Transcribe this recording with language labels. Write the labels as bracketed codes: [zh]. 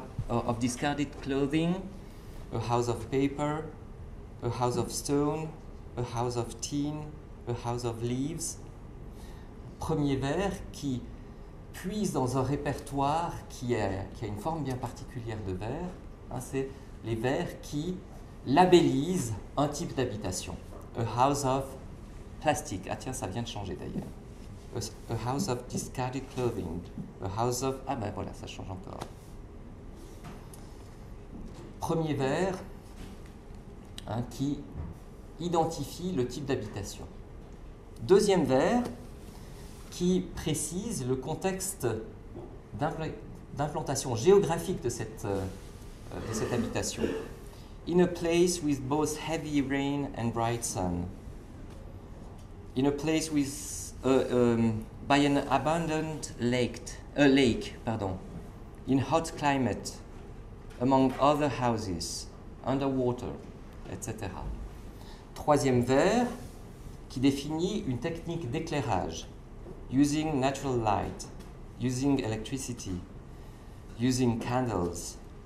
[en] of discarded clothing, a house of paper, a house of stone, a house of tin, a house of leaves. » [fr] Premier vers qui puise dans un répertoire qui a une forme bien particulière de vers. Hein, c'est les vers qui labellisent un type d'habitation. [en] A house of plastic. [fr] Ah tiens, ça vient de changer d'ailleurs. [en] A house of discarded clothing. A house of... [fr] Ah ben voilà, ça change encore. Premier vers... Hein, qui identifie le type d'habitation. Deuxième vers, qui précise le contexte d'implantation géographique de cette habitation. [en] In a place with both heavy rain and bright sun. In a place with by an abandoned lake, in hot climate, among other houses, underwater, etc. [fr] Troisième vers, qui définit une technique d'éclairage, [en] using natural light, using electricity, using candles.